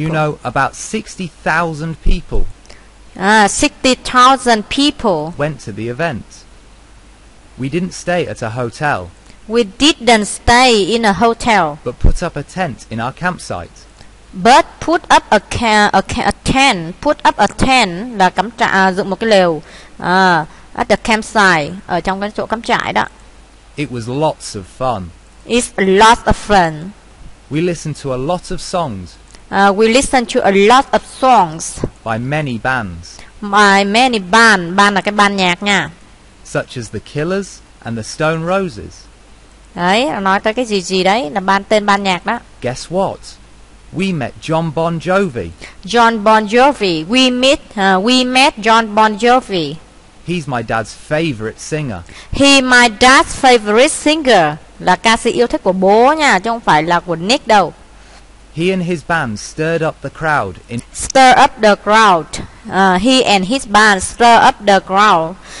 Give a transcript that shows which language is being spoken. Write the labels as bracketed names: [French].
[English] You know, about 60,000 people. 60,000 people went to the event. We didn't stay at a hotel. We didn't stay in a hotel. But put up a tent in our campsite. But put up a tent. Put up a tent [Vietnamese] là cắm trại, dựng một cái lều. [English] At the campsite, [Vietnamese] ở trong cái chỗ cắm trại đó. [English] It was lots of fun. It's a lot of fun. We listened to a lot of songs. We listened to a lot of songs. By many bands. By many band. Band [Vietnamese] là cái ban nhạc nha. [English] Such as The Killers and The Stone Roses. [Vietnamese] Đấy, nói tới cái gì gì đấy, là ban tên ban nhạc đó. [English] Guess what? We met John Bon Jovi. John Bon Jovi. We met John Bon Jovi. He's my dad's favorite singer. He my dad's favorite singer [Vietnamese] là ca sĩ yêu thích của bố nha, chứ không phải là của Nick đâu. [English] He and his band stirred up the crowd in stir up the crowd. He and his band stir up the crowd.